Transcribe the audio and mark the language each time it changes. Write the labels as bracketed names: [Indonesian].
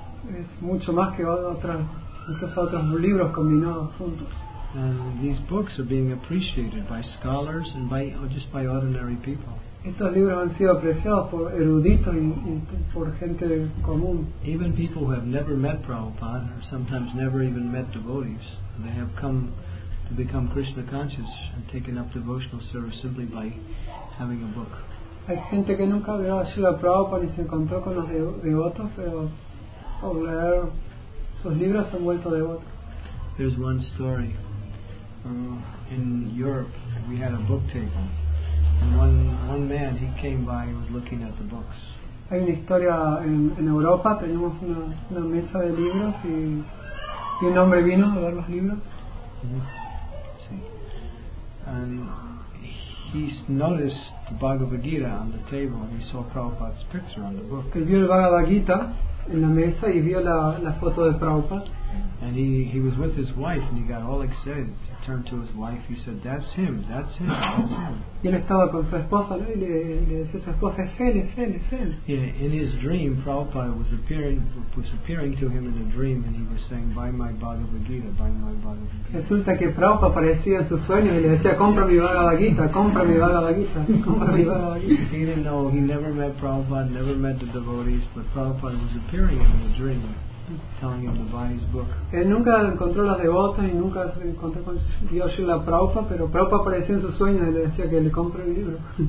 [Spanish] Es mucho más que otros libros combinados juntos. [English] These books are being appreciated by scholars and by just by ordinary people. [Spanish] Estos libros han sido apreciados por eruditos y por gente común. [English] Even people who have never met Prabhupada or sometimes never even met devotees, they have come to become Krishna conscious and taken up devotional service simply by having a book. [Spanish] Hay gente que nunca vio a Srila Prabhupada ni se encontró con los devotos, pero por leer sus libros se han vuelto devotos. [English] There's one story. In Europe, we had a book table, and one man, he came by and was looking at the books. [Spanish] Hay una historia en Europa, teníamos una mesa de libros y un hombre vino a ver los libros. [English] And he noticed the Bhagavad Gita on the table, and he saw Prabhupada's picture on the book. [Spanish] Él vio el Bhagavad Gita en la mesa y vio la foto de Prabhupada. [English] And he was with his wife, and he got all excited. He turned to his wife, he said, "That's him, that's him, that's him." [Spanish] Y él estaba con su esposa, ¿no? Y le decía a su esposa, "Es él, es él, es él." [English] Yeah, in his dream, Prabhupada was appearing to him in a dream, and he was saying, "Buy my Bhagavad Gita, buy my Bhagavad Gita." [Spanish] Resulta que Prabhupada aparecía en sus sueños y le decía, "Compra mi Bhagavad Gita, compra mi Bhagavad Gita, compra mi Bhagavad Gita." [English] He didn't know, he never met Prabhupada, never met the devotees, but Prabhupada was appearing in a dream, telling him to buy his book. [Spanish] Él nunca encontró las devotas y nunca se encontró con Srila Prabhupada, pero Prabhupada apareció en sus sueños y le decía que le compre el libro.